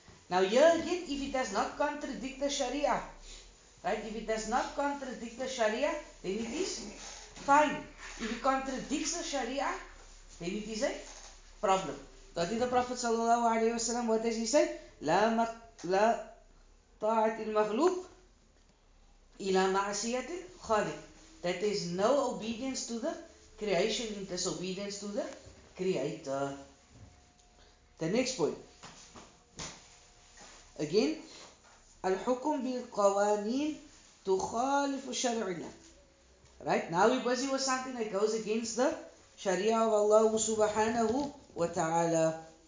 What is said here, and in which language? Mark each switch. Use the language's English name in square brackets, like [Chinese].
[English] Now here again, if it does not contradict the sharia, right, if it does not contradict the sharia, then it is fine. If it contradicts the sharia, then it is a problem. That did the Prophet sallallahu alayhi wasallam, what does he say? [Arabic] لا طاعة المخلوق إلى معصية الخالق. [English] That is no obedience to the creation in disobedience to the creator. The next point. Again, [Arabic] الحكم بالقوانين تخالف شرعنا. [English] Right, now we're busy with something that goes against the Sharia of Allah subhanahu wa ta'ala.